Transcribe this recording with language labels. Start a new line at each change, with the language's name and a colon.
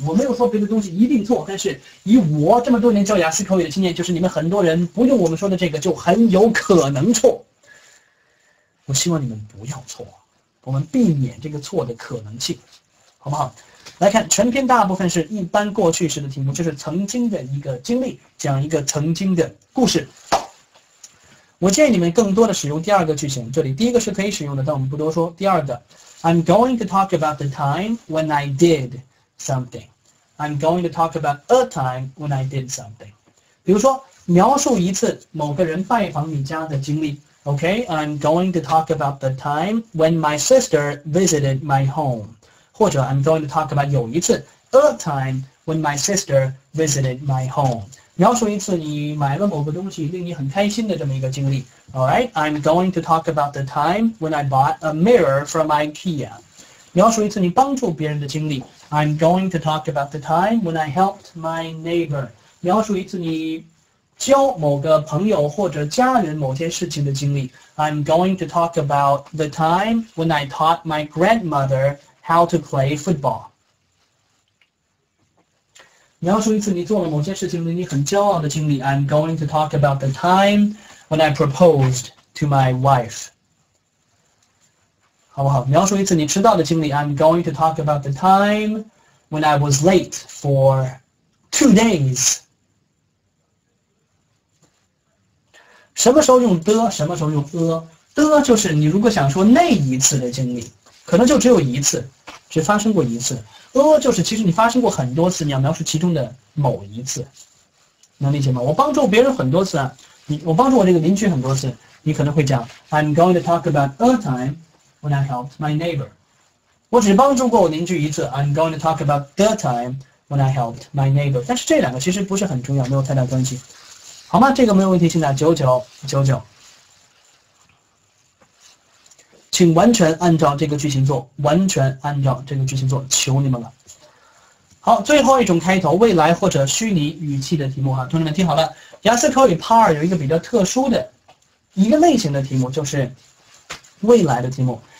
Chinese: 我没有说别的东西一定错，但是以我这么多年教雅思口语的经验，就是你们很多人不用我们说的这个就很有可能错，我希望你们不要错，我们避免这个错的可能性，好不好？来看全篇大部分是一般过去时的题目，就是曾经的一个经历，讲一个曾经的故事。我建议你们更多的使用第二个句型，这里第一个是可以使用的，但我们不多说。第二个，
English: I'm going to talk about the time when I did something， I'm going to talk about a time when I did something.
Chinese: 比如说，描述一次某个人拜访你家的经历。
English: Okay, I'm going to talk about the time when my sister visited my home.
Chinese: 或者
English: I'm going to talk about
Chinese: 有一次
English: a time when my sister visited my home.
Chinese: 描述一次你买了某个东西令你很开心的这么一个经历。
English: Alright, I'm going to talk about the time when I bought a mirror from IKEA.
Chinese: 描述一次你帮助别人的经历。
English: I'm going to talk about the time when I helped my neighbor.
Chinese: 描述一次你教某个朋友或者家人某件事情的经历。
English: I'm going to talk about the time when I taught my grandmother how to play football.
Chinese: 描述一次你做了某件事情令你很骄傲的经历。
English: I'm going to talk about the time when I proposed to my wife.
Chinese: 好不好？描述一次你迟到的经历。
English: I'm going to talk about the time when I was late for 2 days.
Chinese: 什么时候用的，什么时候用的就是你如果想说那一次的经历，可能就只有一次，只发生过一次。就是其实你发生过很多次，你要描述其中的某一次。能理解吗？我帮助别人很多次啊，我帮助我这个邻居很多次，你可能会讲
English: I'm going to talk about a time when I helped my neighbor.
Chinese: 我只帮助过我邻居一次，
English: I'm going to talk about the time when I helped my neighbor.
Chinese: 但是这两个其实不是很重要，没有太大关系。好吗？这个没有问题。现在99，99，请完全按照这个句型做，完全按照这个句型做，求你们了。好，最后一种开头未来或者虚拟语气的题目啊，同学们听好了，雅思口语 Part 有一个比较特殊的一个类型的题目，就是未来的题目。